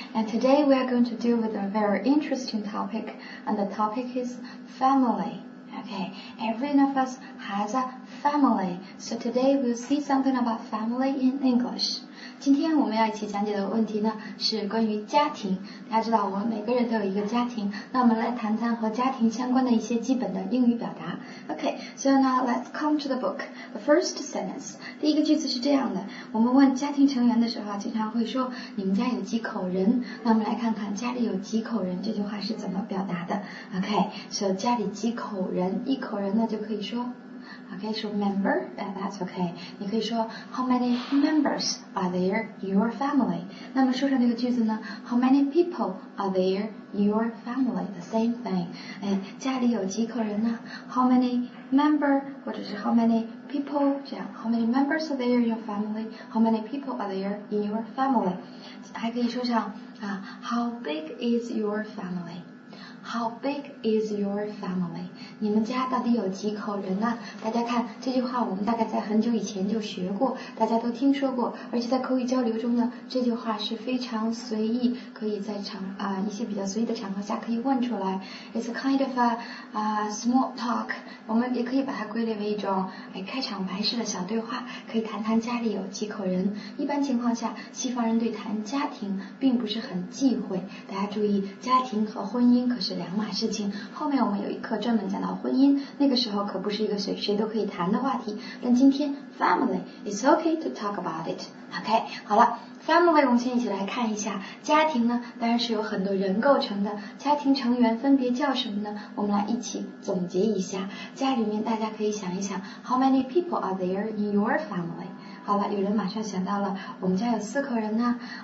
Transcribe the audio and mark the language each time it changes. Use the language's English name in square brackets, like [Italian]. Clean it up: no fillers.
[English] And today we are going to deal with a very interesting topic, and the topic is family. Okay, every one of us has a family. So today we'll see something about family in English. [Chinese] 今天我们要一起讲解的问题呢是关于家庭。大家知道我们每个人都有一个家庭，那我们来谈谈和家庭相关的一些基本的英语表达。 [English] Okay, so now let's come to the book. The first sentence. [Chinese] 第一个句子是这样的，我们问家庭成员的时候经常会说你们家有几口人，那我们来看看家里有几口人这句话是怎么表达的。 [English] Okay, so [Chinese] 家里几口人，一口人呢就可以说 [English] Okay, so member, that's okay. [Chinese] 你可以说 [English] how many members are there your family? [Chinese] 那么书上这个句子呢 [English] how many people are there your family? The same thing. [Chinese] 家里有几口人呢 [English] how many member, [Chinese] 或者是 [English] how many people, [Chinese] 这样 [English] how many members are there in your family? How many people are there in your family? [Chinese] 还可以说上、 [English] how big is your family? How big is your family? [Chinese] 你们家到底有几口人呢？大家看这句话，我们大概在很久以前就学过，大家都听说过，而且在口语交流中呢，这句话是非常随意，可以在场啊、一些比较随意的场合下可以问出来。 [English] It's a kind of a small talk. [Chinese] 我们也可以把它归类为一种开场白式的小对话，可以谈谈家里有几口人。一般情况下，西方人对谈家庭并不是很忌讳。大家注意，家庭和婚姻可是。两码事情，后面我们有一课专门讲到婚姻，那个时候可不是一个谁都可以谈的话题。但今天 [English] family, it's okay to talk about it. [Chinese] OK, 好了 ，family 我们先一起来看一下家庭呢，当然是有很多人构成的。家庭成员分别叫什么呢？我们来一起总结一下。家里面大家可以想一想 [English] ，How many people are there in your family? [Chinese] 好了，有人马上想到了，我们家有四口人呢。